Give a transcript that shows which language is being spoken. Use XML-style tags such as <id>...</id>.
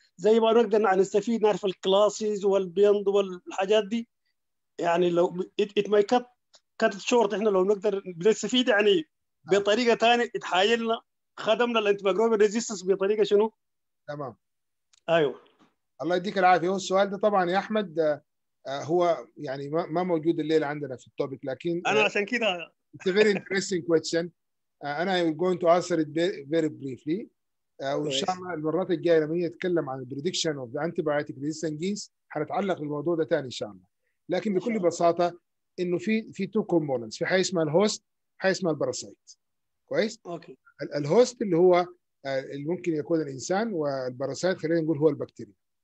<ar>زي ما نقدر نستفيد نعرف الكلاسز والبيند والحاجات دي، يعني لو it may cut it short، احنا لو نقدر نستفيد يعني بطريقة تانية اتحايلنا خدمنا الانتيميكروبيال ريزيستنس بطريقة شنو. تمام. أيوه الله يديك العافية. هو السؤال ده طبعا يا أحمد هو يعني ما موجود الليل عندنا في التوبيك، لكن انا عشان كده</ar> <en>it's a very interesting question. انا I'm going to answer it very briefly.</en> <ar>وان شاء الله المرات الجايه لما نتكلم عن البريدكشن اوف ذا انتيبايوتيك ريزيستنس جينز حنتعلق بالموضوع ده ثاني ان شاء الله. لكن بكل بساطه انه في تو كومبوننتس، في حاجه اسمها الهوست، حاجه اسمها الباراسايت. كويس. اوكي. الهوست اللي هو اللي ممكن يكون الانسان، والباراسايت خلينا نقول هو البكتيريا.</ar>